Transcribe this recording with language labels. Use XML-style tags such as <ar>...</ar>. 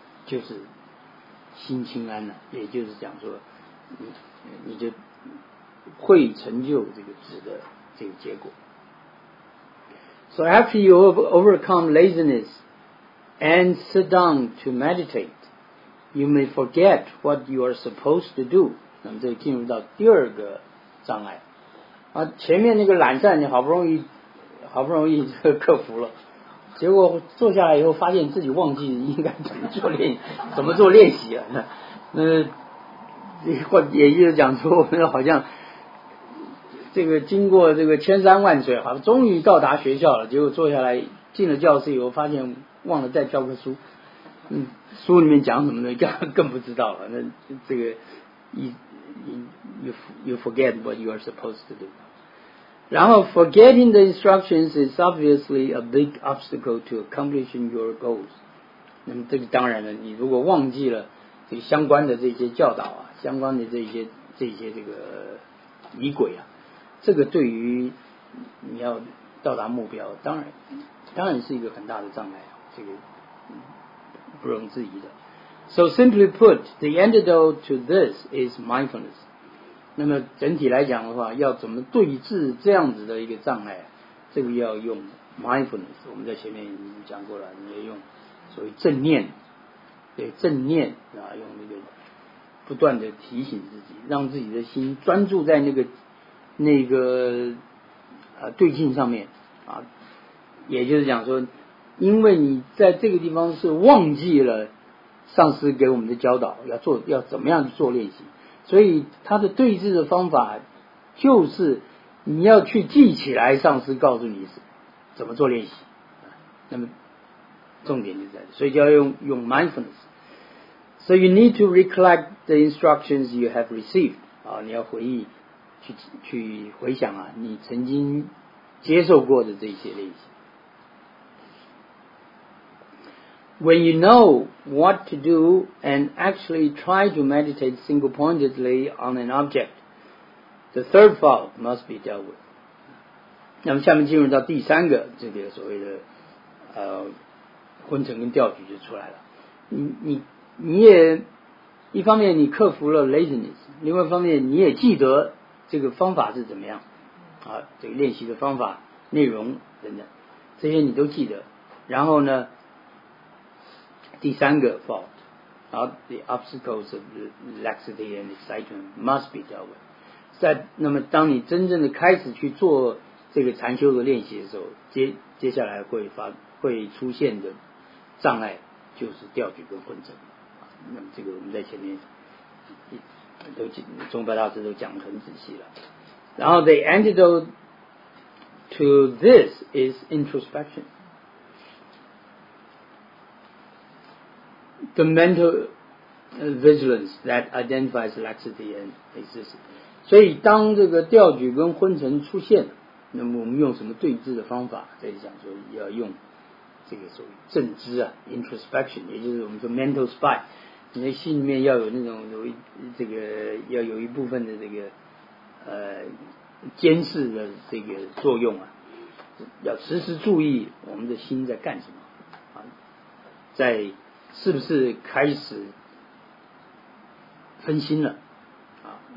<zh>就是心清安了，也就是讲说你就会成就这个止的这个结果。</zh> <en>So after you have overcome laziness, and sit down to meditate, you may forget what you are supposed to do.</en> <zh>那么这就进入到第二个障碍。啊，前面那个懒散你好不容易就克服了，结果坐下来以后发现自己忘记应该怎么做练习啊。那也就是讲说，我们好像这个经过这个千山万水，好，终于到达学校了，结果坐下来进了教室以后发现忘了带教科书，书里面讲什么的更不知道了。那这个</zh> <en>you forget what you are supposed to do.</en> <zh>然后</zh> <en>forgetting the instructions is obviously a big obstacle to accomplishing your goals.</en> <zh>那么这个当然了，你如果忘记了这个相关的这些教导啊，相关的这些这个仪轨啊，这个对于你要到达目标当然是一个很大的障碍，这个不容置疑的。</zh> <en>So simply put, the antidote to this is mindfulness.</en> <zh>那么整体来讲的话，要怎么对治这样子的一个障碍，这个要用 mindfulness, 我们在前面已经讲过了，你要用所谓正念，对，正念啊，用那个不断的提醒自己，让自己的心专注在那个对境上面啊，也就是讲说，因为你在这个地方是忘记了上师给我们的教导要怎么样去做练习，所以他的对治的方法就是你要去记起来上师告诉你怎么做练习，那么重点就在，所以就要用 mindfulness.</zh> <en>So you need to recollect the instructions you have received.</en> <zh>你要回忆去回想啊，你曾经接受过的这些练习。</zh> <en>When you know what to do and actually try to meditate single-pointedly on an object, the third fault must be dealt with.</en> <zh>那么下面进入到第三个这个所谓的昏沉跟掉举就出来了。你也一方面你克服了 laziness, 另外一方面你也记得这个方法是怎么样啊，这个练习的方法内容等等这些你都记得，然后呢第三个</zh> <en>fault, the obstacles of laxity and excitement must be dealt with.</en> <zh>那么当你真正的开始去做这个禅修的练习的时候，接下来会出现的障碍就是掉举跟昏沉。那么这个我们在前面都宗白大师都讲得很仔细了。然后</zh> <en>the antidote to this is introspection. The mental vigilance that identifies laxity and excessive.</en> <zh>所以当这个掉举跟昏沉出现，那么我们用什么对治的方法，这里讲说要用这个所谓正知啊 introspection, 也就是我们说 mental spy, 你的心里面要有那种这个要有一部分的这个监视的这个作用啊，要时时注意我们的心在干什么啊，在是不是开始分心了啊？</zh>